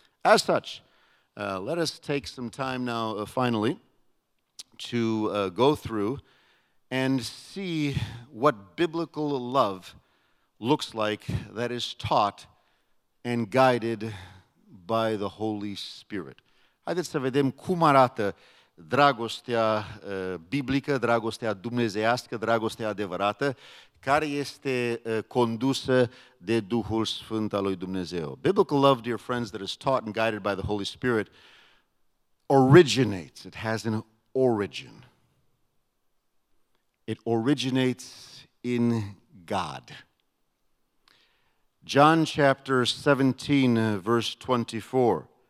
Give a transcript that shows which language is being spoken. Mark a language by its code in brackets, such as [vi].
[en] As such, let us take some time now, finally, to go through and see what biblical love looks like that is taught and guided by the Holy Spirit. [ro] Haideți să vedem cum arată dragostea biblică, dragostea dumnezeiască, dragostea adevărată, care este condusă de Duhul Sfânt al lui Dumnezeu. [en] Biblical love, dear friends, that is taught and guided by the Holy Spirit, originates. It has an origin. It originates in God. John chapter 17, verse 24.